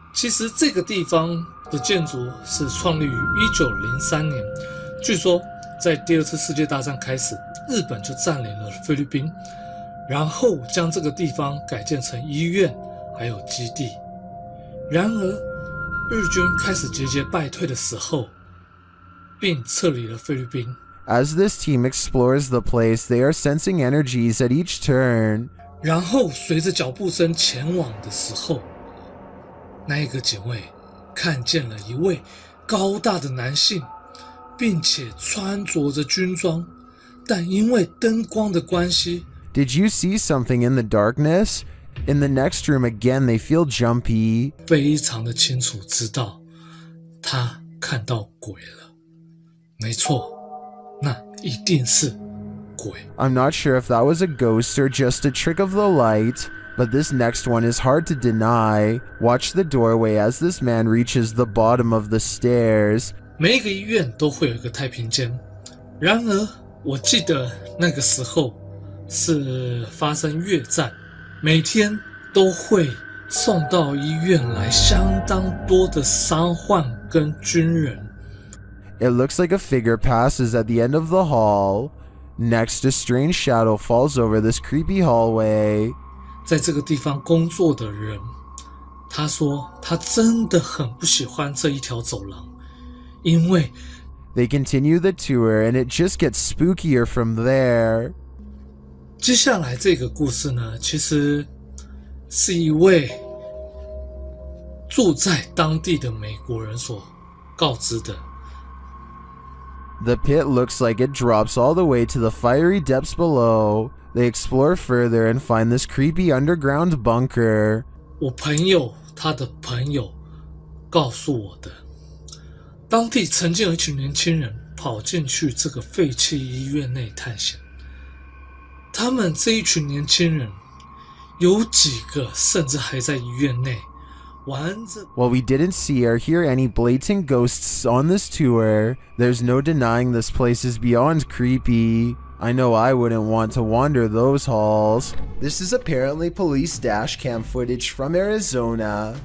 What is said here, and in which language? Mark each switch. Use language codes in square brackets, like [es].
[zh] 其实这个地方的建筑是创立于1903年，据说在第二次世界大战开始，日本就占领了菲律宾，然后将这个地方改建成医院还有基地。然而日军开始节节败退的时候，并撤离了菲律宾。 [en] As this team explores the place, they are sensing energies at each turn. [zh] 然后随着脚步声前往的时候，那一个警卫看见了一位高大的男性，并且穿着着军装，但因为灯光的关系。 [en] Did you see something in the darkness? In the next room again, they feel jumpy. [zh] 非常的清楚知道，他看到鬼了。没错。那一定是鬼。 [en] I'm not sure if that was a ghost or just a trick of the light, but this next one is hard to deny. Watch the doorway as this man reaches the bottom of the stairs. [zh] 每一个医院都会有一个太平间，然而我记得那个时候是发生越战，每天都会送到医院来相当多的伤患跟军人。 [en] It looks like a figure passes at the end of the hall. Next, a strange shadow falls over this creepy hallway. [zh] 在这个地方工作的人，他说他真的很不喜欢这一条走廊，因为 [en] They continue the tour and it just gets spookier from there. [zh] 接下来这个故事呢，其实是一位住在当地的美国人所告知的。 [en] The pit looks like it drops all the way to the fiery depths below. They explore further and find this creepy underground bunker. [zh] 我朋友他的朋友告诉我的，当地曾经有一群年轻人跑进去这个废弃医院内探险。他们这一群年轻人有几个甚至还在医院内 [en] While we didn't see or hear any blatant ghosts on this tour, there's no denying this place is beyond creepy. I know I wouldn't want to wander those halls. This is apparently police dash cam footage from Arizona.